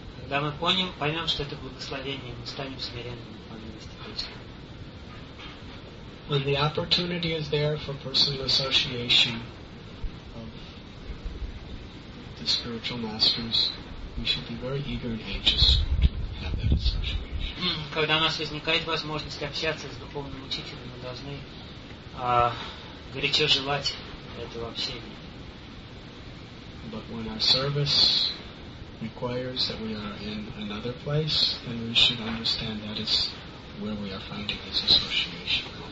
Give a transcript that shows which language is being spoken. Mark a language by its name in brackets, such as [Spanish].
[Russian] Когда мы поймем, что это благословение, мы станем смиренными по милости Кришны. [English] When the opportunity is there for personal association of the spiritual masters, we should be very eager and anxious to have that association. [Russian] Когда у нас возникает возможность общаться с духовным учителем, мы должны горячо желать этого общения. [English] But when our service requires that we are in another place, then we should understand that is where we are finding this association.